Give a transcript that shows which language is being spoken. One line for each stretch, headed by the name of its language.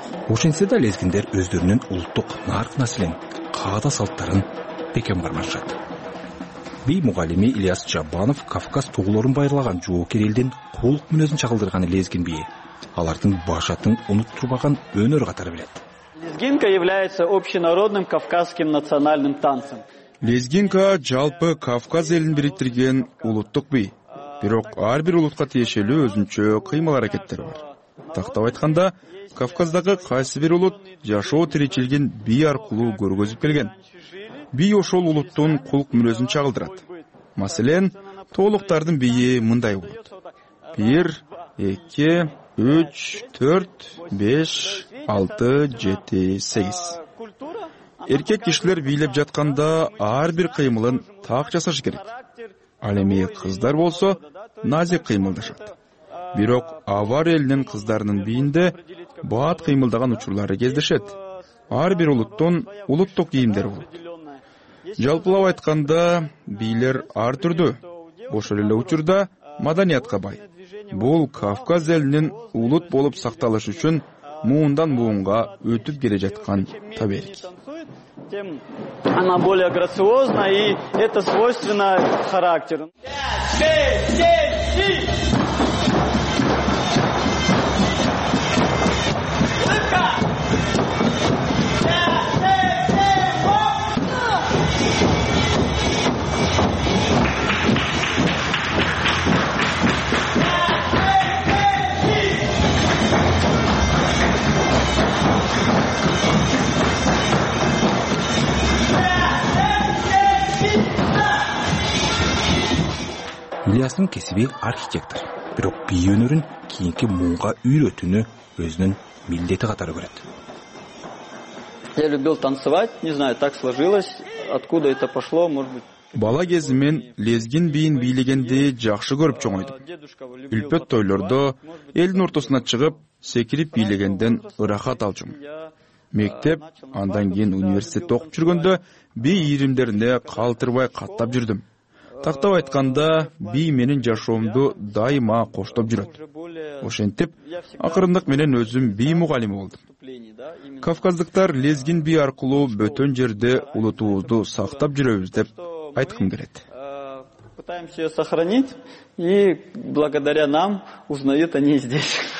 Kyrgyz: Ошентсе да лезгиндер өздөрүнүн улуттук нарк маселен, каада салттарын бекем кармашат. Би мугалими Ильяс Жабанов Кавказ тууларын байырлаган жоокер элдин кулк мүнөзүн чагылдырган лезгин бийи. Алардын башатын унуттурбаган өнөр катары билет.
Russian: Лезгинка является общенародным кавказским национальным танцем.
Kyrgyz: Лезгинка жалпы Кавказ элин бириктирген улуттук бий. Бирок ар бир улутка тиешелүү өзүнчө кыймыл аракеттери бар. Тактап айтканда, Кавказдагы кайсы бир улут жашоо тиричилген би аркылуу көргөзүп келген. Би ошол улуттун кулк мүнөзүн чагылдырат. Маселен, тоолуктардын бийи мындай болот. 1, 2, 3, 4, 5, 6, 7, 8. Эркек кишилер бийлеп жатканда ар бир кыймылын так жасаш керек. Ал эми кыздар болсо назик кыймылдашат. Бирок авар элинин кыздарынын бийинде баат кыймылдаган учурлары кездешет. Ар бир улуттун улуттук кийимдери болот. Жалпылап айтканда, бийлер ар түрдүү. Ошол эле учурда маданиятка бай. Бул Кавказ элинин улут болуп сакталышы үчүн муундан муунга өтүп келе жаткан таберик.
Russian: Тем она более грациозна и это свойственно характеру. 5, 7, 6.
Kyrgyz: Ильястын кесиби архитектор, бирок бий өнөрүн кийинки муунга үйрөтүүнү өзүнүн милдети катары көрөт.
Russian: Я любил танцевать, не знаю, так сложилось, откуда это пошло, может быть.
Kyrgyz: Бала кезимен лезгин бийин бийлегенди жакшы көрүп чоңойдум. Үлпөт тойлордо элдин ортосуна чыгып, секирип бийлегенден ырахат алчумун. Мектеп, андан кийин университетте окуп жүргөндө бий ийримдерине калтырбай каттап жүрдүм. Тактап айтканда, бий менин жашоомду дайыма коштоп жүрөт. Ошентип, акырындык менен өзүм бий мугалими болдум. Кавказдыктар лезгин бий аркылуу бөтөн жерде улутубузду сактап жүрөбүз деп айткым келет.
Russian: Пытаемся её сохранить, и благодаря нам узнают они здесь.